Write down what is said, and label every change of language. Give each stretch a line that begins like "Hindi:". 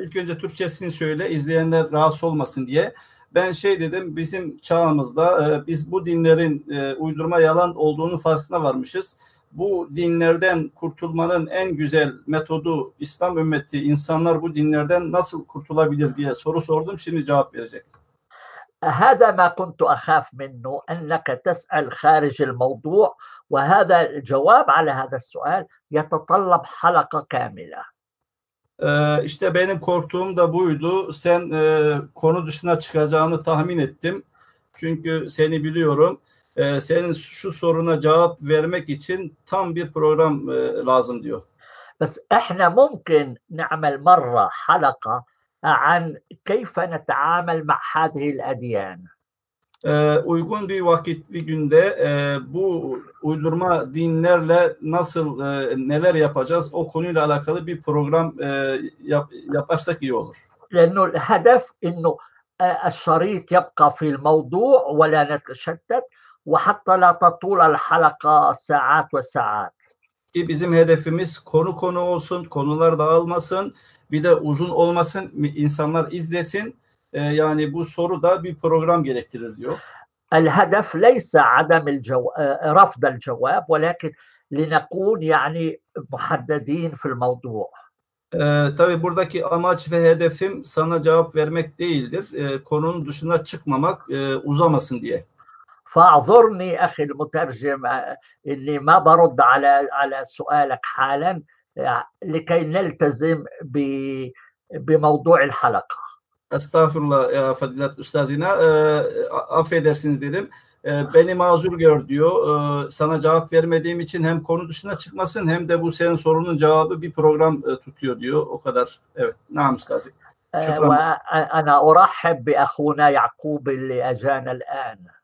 Turkish: İlk önce Türkçesini söyle, izleyenler rahatsız olmasın diye. Ben şey dedim, bizim çağımızda biz bu dinlerin uydurma yalan olduğunu farkına varmışız. Bu dinlerden kurtulmanın en güzel metodu İslam ümmeti, insanlar bu dinlerden nasıl kurtulabilir diye soru sordum. Şimdi cevap verecek.
Arabic: هذا ما كنت أخاف منه، أنك تسأل خارج الموضوع، وهذا الجواب على هذا السؤال يتطلب حلقة كاملة.
Turkish: İşte benim korktuğum da buydu. Sen konu dışına çıkacağını tahmin ettim. Çünkü seni biliyorum. Senin şu soruna cevap vermek için tam bir program lazım diyor.
Arabic: بس إحنا ممكن نعمل مرة حلقة عن كيف نتعامل مع هذه الأديان.
Turkish: Uygun bir vakit, bir günde bu uydurma dinlerle nasıl neler yapacağız o konuyla alakalı bir program yaparsak iyi olur.
Arabic: لأنه الهدف إنه الشريط يبقى في الموضوع ولا نتشتت وحتى لا تطول الحلقة ساعات وساعات.
Turkish: Bizim hedefimiz konu konu olsun, konular dağılmasın, bir de uzun olmasın, insanlar izlesin. Yani bu soru da bir program gerektirir diyor.
Arabic: الهدف ليس عدم رفض الجواب ولكن لنكون يعني محددين في الموضوع.
Turkish: Tabii buradaki amaç ve hedefim sana cevap vermek değildir. Konunun dışına çıkmamak uzamasın diye.
Arabic: فاعذرني أخي المترجم إني ما برد على سؤالك حالا لكي نلتزم بموضوع الحلقة.
Turkish: Estağfurullah ya Fadilat Üstazina, affedersiniz dedim. Beni mazur gör diyor. Sana cevap vermediğim için hem konu dışına çıkmasın hem de bu senin sorunun cevabı bir program tutuyor diyor. O kadar. Evet. Naam Üstazi. Şükran.
Arabic: وأنا أرحب بأخونا يعقوب اللي أجانا الآن.